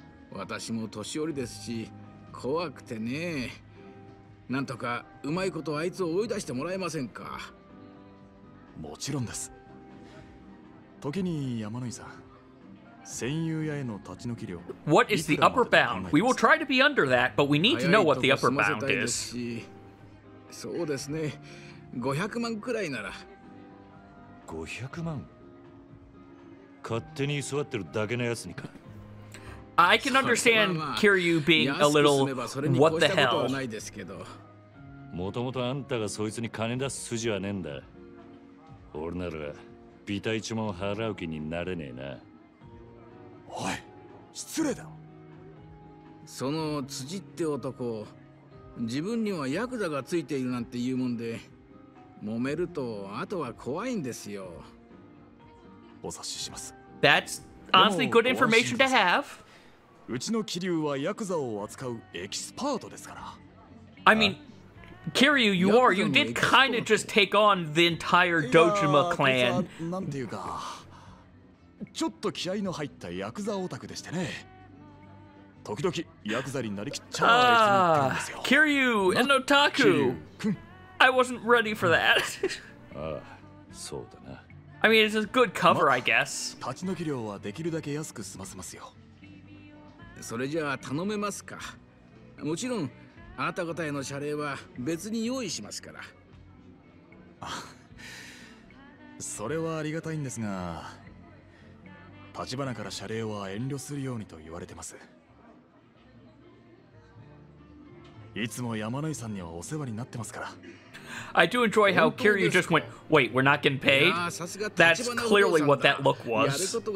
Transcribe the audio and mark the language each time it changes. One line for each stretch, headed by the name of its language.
Japanese: 私も年寄りですし怖くてね。なんとかうまいことあいつを追い出してもらえませんか。もちろんです。時に山野井さん、占有屋への立ち退き料
English: What is the upper bound? We will try to be under that, but we need to know what the upper bound is.
Japanese: そうですね、500万くらいなら。 500万。勝手に座ってるだけのやつにか。
English: I can understand Kiryu being a little what the hell.
Japanese: もともとあんたがそいつに金出す筋はねえんだ。俺なら、ビタ一万払う気になれねえな。おい、失礼だ。その辻って男、自分にはヤクザがついているなんていうもんで。揉めるとあとは怖いんですよ。お察しします。
English: That's honestly good information to have.
Japanese: うちのキリュウはヤクザを扱うエキスパートですから。
English: I mean, Kiryu, you are. You did kind of just take on the entire Dojima clan.
Japanese: なんていうか、ちょっと気合の入ったヤクザオタクでしてね。時々ヤクザになりきっちゃう。
English: Kiryu, an otaku. I wasn't ready for that.
Japanese: そうだな。
English: I mean, it's a good cover, I guess.
Japanese: 立ち退き料はできるだけ安く済ませますよ。それじゃあ頼めますか。もちろん、あなた方への謝礼は別に用意しますから。それはありがたいんですが、立花から謝礼は遠慮するようにと言われてます。いつも山野井さんにはお世話になってますから。
English: I do enjoy how Kiryu just went, wait, we're not getting paid? That's clearly what that look was.